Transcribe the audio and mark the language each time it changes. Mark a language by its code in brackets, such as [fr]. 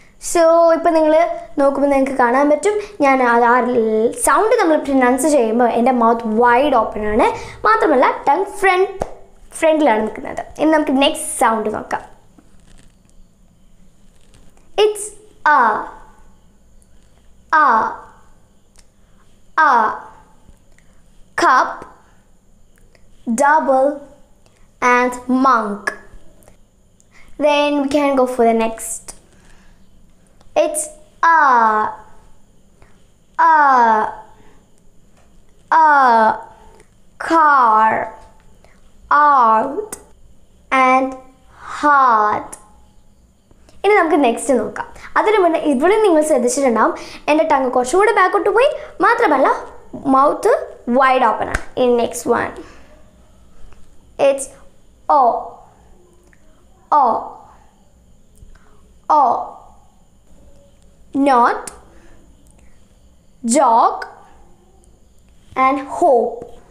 [ml] So ഇപ്പോൾ നിങ്ങൾ നോക്കുമ്പോൾ നിങ്ങൾക്ക് കാണാൻ പറ്റും ഞാൻ ആ സൗണ്ട് നമ്മൾ പ്രൊനൗൺസ് ചെയ്യുമ്പോൾ എൻ്റെ മൗത്ത് വൈഡ് ഓപ്പൺ ആണ്, മാത്രമല്ല ടങ് ഫ്രണ്ടിലാണ് നിൽക്കുന്നത്. ഇനി നമുക്ക് നെക്സ്റ്റ് സൗണ്ട് നോക്കാം. [en] It's a A, A, cup, double, and monk. Then we can go for the next. It's A, A, A, car, out, and heart. [ml] ഇനി നമുക്ക് നെക്സ്റ്റ് നോക്കാം. അതിന് മുന്നേ ഇവിടെ നിങ്ങൾ ശ്രദ്ധിച്ചിട്ടുണ്ടാവും എൻ്റെ ടങ് കുറച്ചും കൂടെ ബാക്കോട്ട് പോയി, മാത്രമല്ല മൗത്ത് വൈഡ് ഓപ്പൺ ആണ്. [en] ഇനി next one. It's O O O not joke and hope.